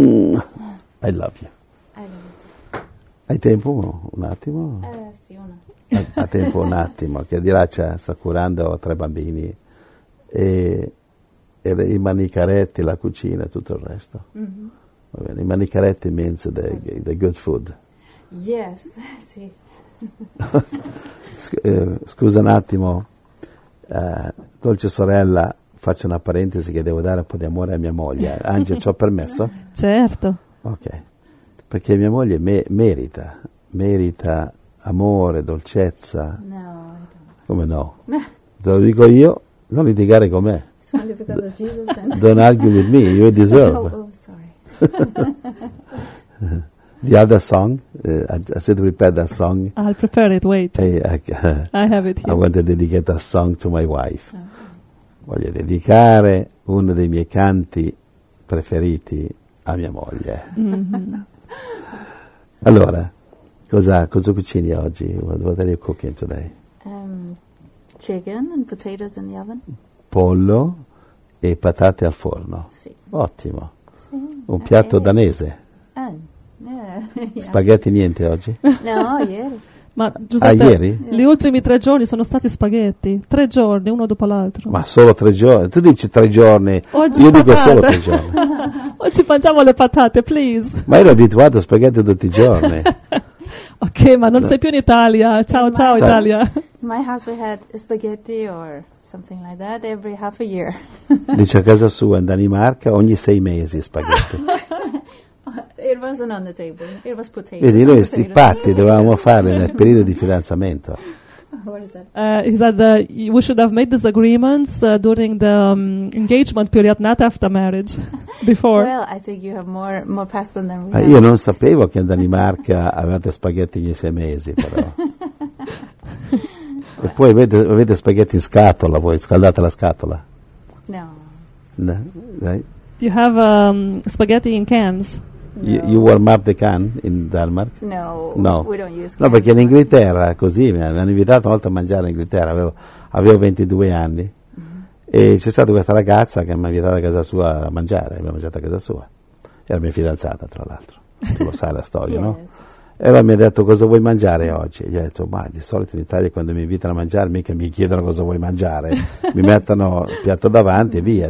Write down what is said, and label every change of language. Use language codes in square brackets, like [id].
[it] Grazie. [en] I love you. [it] Hai tempo un attimo? Sì, un attimo. Ha tempo un attimo, che di là sta curando 3 bambini e i manicaretti, la cucina e tutto il resto. [en] Va bene, i manicaretti means the good food. Yes, sì. [it] Scusa un attimo, dolce sorella, faccio una parentesi che devo dare un po' di amore a mia moglie. Angelo, ci ho permesso? Certo. Ok. Perché mia moglie merita amore, dolcezza. No, come no? Te lo dico io, non litigare con me. [en] Don't argue with me, you deserve. Oh, sorry. The other song, I said prepare that song. I'll prepare it, wait. I have it here. I want to dedicate a song to my wife. Okay. [it] Voglio dedicare uno dei miei canti preferiti a mia moglie. Mm-hmm. Allora, cosa cucini oggi? [en] What are you cooking today? Chicken and potatoes in the oven. [it] Pollo e patate al forno. Sì. Ottimo. Sì. Un piatto danese. [en] Yeah. [it] Spaghetti niente oggi? No, ieri. Ma Giuseppe, ieri? Gli ultimi 3 giorni sono stati spaghetti. 3 giorni, uno dopo l'altro. Ma solo 3 giorni? Tu dici 3 giorni. Oggi io patate. Dico solo 3 giorni. Oggi mangiamo le patate, please. Ma ero abituato a spaghetti tutti i giorni. Ok, ma non sei più in Italia. Ciao, ciao, ciao Italia. [en] In my house we had spaghetti or something like that every half a year. [it] Dice a casa sua in Danimarca ogni 6 mesi spaghetti. [en] It wasn't on the table. It was potatoes. Vedi, [it] noi questi patti dovevamo fare nel periodo di fidanzamento. [en] What is that? He said we should have made these agreements during the engagement period, not after marriage, before. Well, I think you have more past than we have. [it] Io non sapevo che in Danimarca avevate spaghetti ogni 6 mesi, però. E poi avete spaghetti in scatola, voi scaldate la scatola. No. Dai. [en] You have spaghetti in cans. No. You warm up the can in Denmark? No, we don't use cans. [it] No, perché in Inghilterra, così, mi hanno invitato una volta a mangiare in Inghilterra, avevo 22 anni, mm-hmm. E c'è stata questa ragazza che mi ha invitato a casa sua a mangiare, abbiamo mangiato a casa sua, era mia fidanzata tra l'altro, tu lo sai la storia, [en] yes, [it] no? E lei mi ha detto cosa vuoi mangiare oggi? E gli ho detto, ma di solito in Italia quando mi invitano a mangiare mica mi chiedono cosa vuoi mangiare, mi mettono il piatto davanti e via.